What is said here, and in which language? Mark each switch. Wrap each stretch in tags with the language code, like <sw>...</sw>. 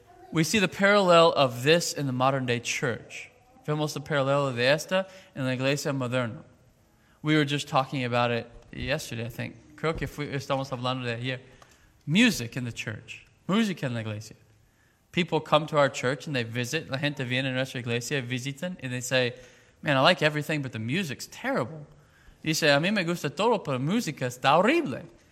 <en>We see the parallel of this in the modern day church.</en> <es>Vemos el paralelo de esta en la iglesia moderna.</es> <en>We were just talking about it yesterday, I think.</en> <es>Creo que estamos hablando de ayer.</es> <en>Music in the church.</en> <es>Música en la iglesia.</es> <en>People come to our church and they visit.</en> <es>La gente viene a nuestra iglesia, visitan,</es> <en>and they say, man, I like everything, but the music's terrible.</en> <es>Dice, a mí me gusta todo, pero la música está horrible.</es>